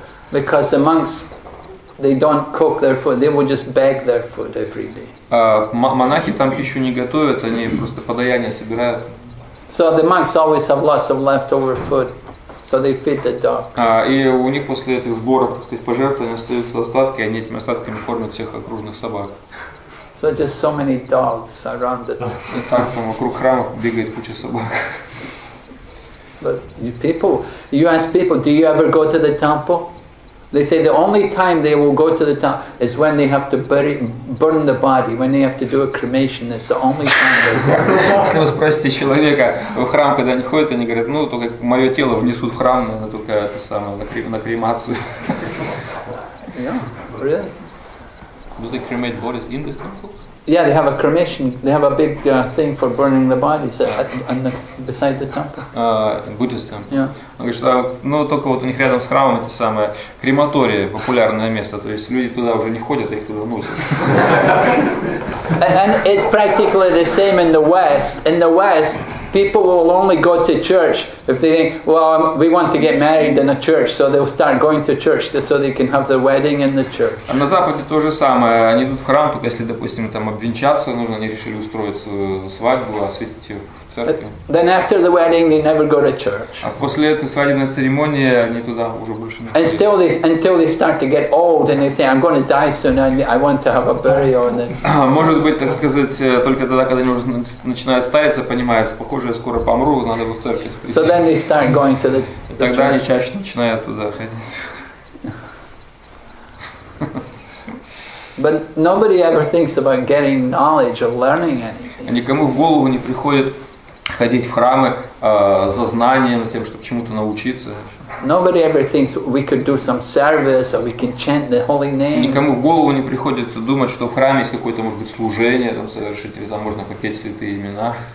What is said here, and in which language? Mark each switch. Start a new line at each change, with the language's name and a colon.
English: Because the monks, they don't cook their food. They will just beg their food every day.
Russian: Монахи там пищу не готовят, они просто подаяние собирают.
English: So the monks always have lots of leftover food, so they feed the dogs.
Russian: И у них после этих сборов, так сказать, пожертвований остаются остатки, и они этими остатками кормят всех окружных собак.
English: So just so many dogs around the.
Russian: И так там вокруг храма бегает куча собак.
English: But you ask people, do you ever go to the temple? They say the only time they will go to the temple is when they have to burn the body, when they have to do a cremation. That's the only time.
Russian: Если вы спросите человека в храм, когда они ходят, они говорят, ну только мое тело внесут в храм, но только это самое на кремацию.
English: Yeah, really? Do they cremate bodies in the temple? Yeah, they have a cremation. They have a big thing for burning the bodies beside the temple. Buddhist temple. Yeah.
Russian: Он говорит, ну только вот у них рядом с храмом это самое крематория, популярное место, то есть люди туда уже не ходят, а их туда носят.
English: And it's practically the same in the West. In the West, people will only go to church if they think, well, we want to get married in a church, so they'll start going to church just so they can have their wedding in the church.
Russian: А на Западе то же самое, они идут в храм только если, допустим, там обвенчаться нужно, они решили устроить свою свадьбу, осветить ее.
English: But then after the wedding, they never go to church.
Russian: А после этой свадебной церемонии они туда уже больше не ходят.
English: Until they start to get old and they think I'm going to die soon and I want to have a burial. And then.
Russian: Может быть, так сказать, только тогда, когда они уже начинают стариться, понимают, похоже, я скоро помру, надо бы в церковь сходить.
English: So then they start going to the.
Russian: Тогда они чаще начинают туда ходить.
English: But nobody ever thinks about getting knowledge or learning anything.
Russian: Никому в голову не приходит ходить в храмы за знанием, тем, чтобы чему-то научиться.
English: Nobody ever thinks we could do some service or we can chant the holy name.
Russian: Никому в голову не приходит думать, что в храме есть какое-то, может быть, служение там совершить или там можно попеть святые имена.